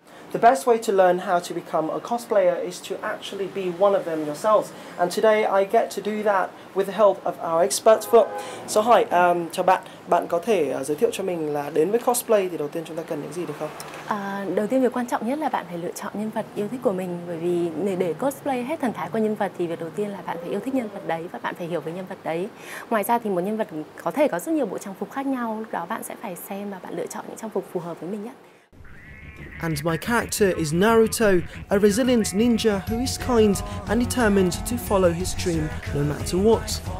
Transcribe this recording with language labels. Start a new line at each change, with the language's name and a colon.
English: The best way to learn how to become a cosplayer is to actually be one of them yourselves. And today I get to do that with the help of our expert Phượng. So hi,
Vietnamese: chào bạn. Bạn có thể giới thiệu cho mình là đến với cosplay thì đầu tiên chúng ta cần những gì được không? Đầu tiên việc quan trọng nhất là bạn phải lựa chọn nhân vật yêu thích của mình, bởi vì để cosplay hết thần thái của nhân vật thì việc đầu tiên là bạn phải yêu thích nhân vật đấy và bạn phải hiểu về nhân vật đấy. Ngoài ra thì một nhân vật có thể có rất nhiều bộ trang phục khác nhau, lúc đó bạn sẽ phải xem và bạn lựa chọn những trang phục phù hợp với mình nhất.
English: And my character is Naruto, a resilient ninja who is kind and determined to follow his dream no matter what.